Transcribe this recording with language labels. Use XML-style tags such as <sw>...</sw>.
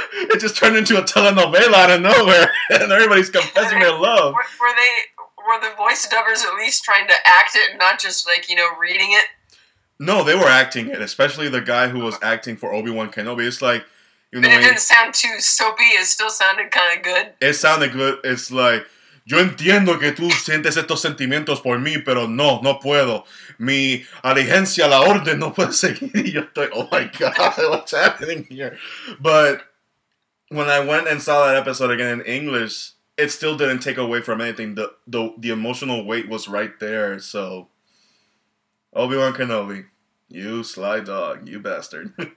<en>It just turned into a telenovela out of nowhere and everybody's confessing their love. Were the voice dubbers at least trying to act it, not just like, you know, reading it? No, they were acting it, especially the guy who was acting for Obi-Wan Kenobi. It's like, you know, but it didn't sound too soapy. It still sounded kind of good. It sounded good. It's like,</en> <es>yo entiendo que tú sientes estos sentimientos por mí, pero no puedo. Mi allegiance a la orden no puede seguir. Yo estoy,</es> <en>oh my God, what's happening here? But when I went and saw that episode again in English, it still didn't take away from anything. The emotional weight was right there, so Obi-Wan Kenobi, you sly dog, you bastard.</en>